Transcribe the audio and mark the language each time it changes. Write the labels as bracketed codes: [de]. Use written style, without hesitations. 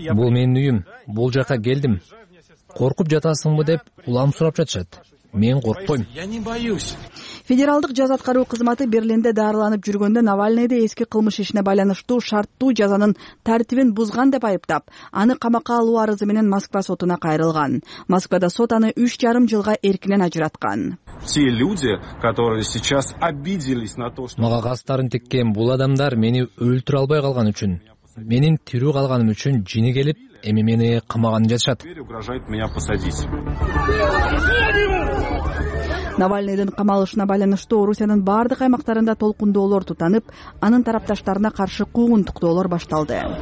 [ky] Бул менин үйүм. Бул жака келдим. Коркуп жатасыңбы деп улам сурап жатышат. Мен коркпойм. [ru] Я не боюсь. [ky] Федералдык жаз аткаруу кызматы Берлинде даарланып жүргөндө Навальныйды эски кылмыш ишине байланыштуу шарттуу жазанын тартибин бузган деп айыптап, аны камакка алуу арызы менен Москва сотуна кайрылган. Москвада сот аны 3,5 жылга эркинен ажыраткан. [ru] Те люди, которые сейчас обиделись на то, что [ky] мага кастарын тиккен бул адамдар мени өлтүрө албай калган үчүн, менин тирүү калганым үчүн жини келип эми мени камаган жашат. Навальныйдын камалышына байланыштуу Орусиянын бардык аймактарында толкундоолор тутанып, анын тарапташтарына каршы куугунтуктоолор башталды.